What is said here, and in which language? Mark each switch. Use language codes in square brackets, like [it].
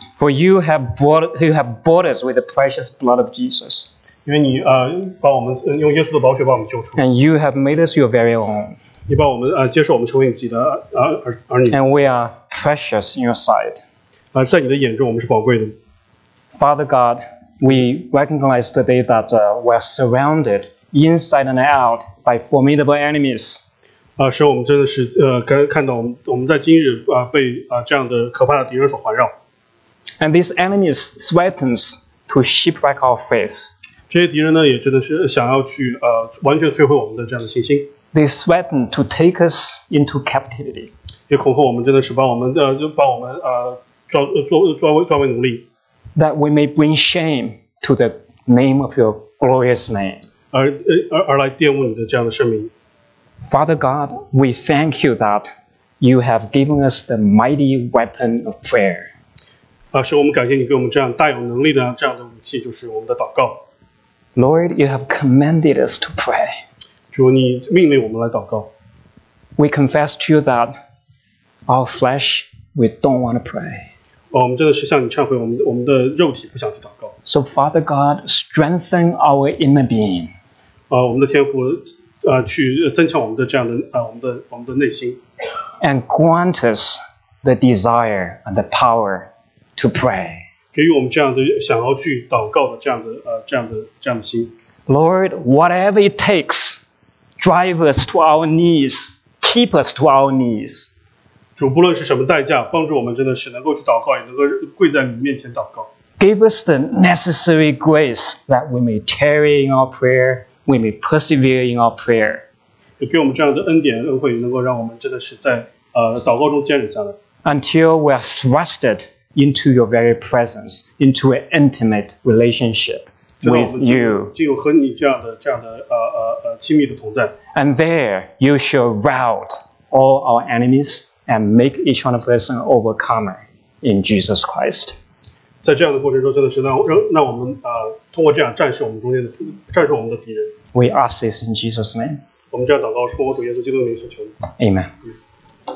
[en] For you have bought us with the precious blood of Jesus. [zh] 因为你把我们用耶稣的宝血把我们救出。 [en] And you have made us your very own. [zh] 你把我们接受我们成为你自己的儿女。 [en] And we are precious in your sight. [zh] 在你的眼中我们是宝贵的。 [en] Father God, we recognize today that we are surrounded. Inside and out by formidable enemies. [zh] 使我们真的是看到我们在今日被这样的可怕的敌人所环绕。 [en] And these enemies threatens to shipwreck our faith. [zh] 这些敌人呢也真的是想要去完全摧毁我们的这样的信心。 [en] They threaten to take us into captivity. [zh] 也恐吓我们真的是把我们作为奴隶。 [en] That we may bring shame to the name of your glorious name. [zh] 而来玷污你的这样的圣名。 [en] Father God, we thank you that you have given us the mighty weapon of prayer. [zh] 使我们感谢你给我们这样大有能力的这样的武器，就是我们的祷告。 [en] Lord, you have commanded us to pray. [zh] 主，你命令我们来祷告。 [en] We confess to you that our flesh, we don't want to pray. [zh] 我们真的是向你忏悔，我们的肉体不想去祷告。 [en] So Father God, strengthen our inner being. [zh] 我们的天父，去增强我们的这样的我们的内心。 [en] And grant us the desire and the power to pray. [zh] 给予我们这样的想要去祷告的这样的心。 [en] Lord, whatever it takes, drive us to our knees, keep us to our knees. [zh] 主，不论是什么代价，帮助我们真的是能够去祷告，也能够跪在你面前祷告。 [en] Give us the necessary grace that we may tarry in our prayer, we may persevere in our prayer. [zh] 给我们这样的恩典恩惠，能够让我们真的是在祷告中坚忍下来。 [en] Until we are thrusted into your very presence, into an intimate relationship with you. [zh] 就有和你这样的亲密的同在。 [en] And there you shall rout all our enemies and make each one of us an overcomer in Jesus Christ. [zh] 在这样的过程中真的是让我们通过这样战胜我们中间的战胜我们的敌人。 [en] We ask this in Jesus' name. [zh] 我们这样祷告，奉我主耶稣基督的名求。